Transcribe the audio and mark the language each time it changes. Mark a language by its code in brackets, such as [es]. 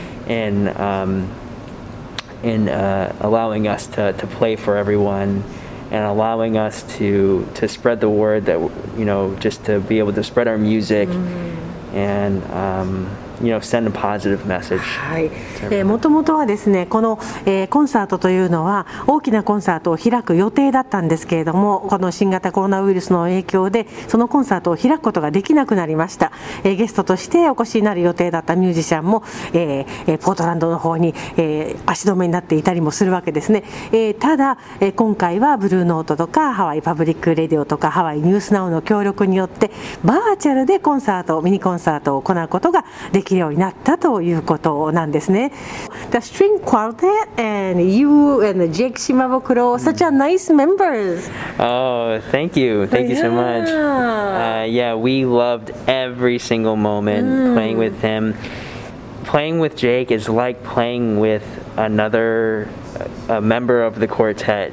[en] in allowing us to play for everyone and allowing us to spread the word that, you know, just to be able to spread our music and send a positive message. [ja] はい。もともとはですね、この、コンサートというのは大きなコンサートを開く予定だったんですけれども、この新型コロナウイルスの影響でそのコンサートを開くことができなくなりました。ゲストとしてお越しになる予定だったミュージシャンも、ポートランドの方に、足止めになっていたりもするわけですね。ただ、今回はブルーノートとかハワイパブリックレディオとかハワイニュースナウの協力によってバーチャルでコンサート、ミニコンサートを行うことができるようになったということなんですね。 [en] The string quartet and you and Jake Shimabukuro, such a nice members. Oh, thank you. Thank you so much. Yeah, we loved every single moment playing with him. Playing with Jake is like playing with another member of the quartet.